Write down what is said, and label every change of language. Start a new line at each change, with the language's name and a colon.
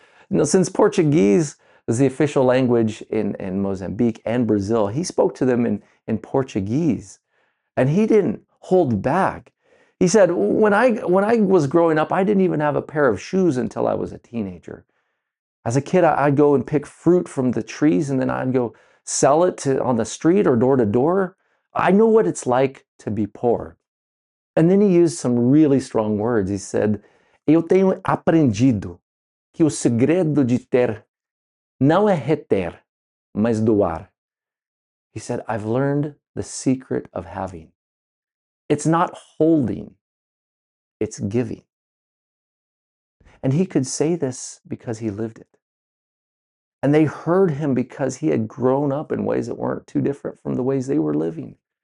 English: You know, since Portuguese is the official language in Mozambique and Brazil, he spoke to them in Portuguese, and he didn't hold back. He said, when I was growing up, I didn't even have a pair of shoes until I was a teenager. As a kid, I'd go and pick fruit from the trees, and then I'd go sell it on the street or door to door. I know what it's like to be poor. And then he used some really strong words. He said,
Portuguese: "Eu tenho aprendido que o segredo de ter não é reter, mas doar."
English: He said, "I've learned the secret of having. It's not holding, it's giving." And he could say this because he lived it. And they heard him because he had grown up in ways that weren't too different from the ways they were living.